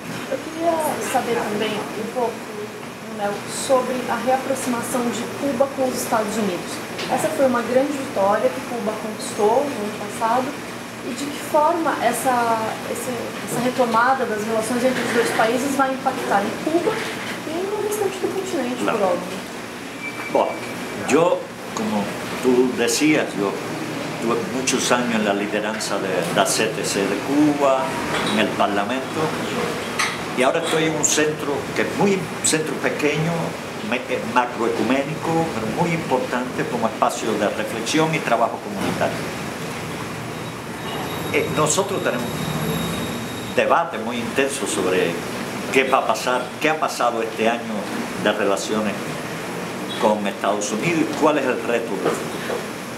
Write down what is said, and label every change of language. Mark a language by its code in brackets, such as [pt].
[es] Yo quería saber también un poco sobre [pt] a reaproximação de Cuba com os Estados Unidos. Essa foi uma grande vitória que Cuba conquistou no ano passado. E de que forma essa retomada das relações entre os dois países vai impactar em Cuba e no restante do continente, por óbvio? Bom, eu, [es] como tu decías, [pt] eu tive muitos anos na liderança da CTC de Cuba, no parlamento. [es] Y ahora estoy en un centro que es muy centro pequeño, macroecuménico, pero muy importante como espacio de reflexión y trabajo comunitario. Nosotros tenemos debate muy intenso sobre qué va a pasar, qué ha pasado este año de relaciones con Estados Unidos y cuál es el reto del futuro.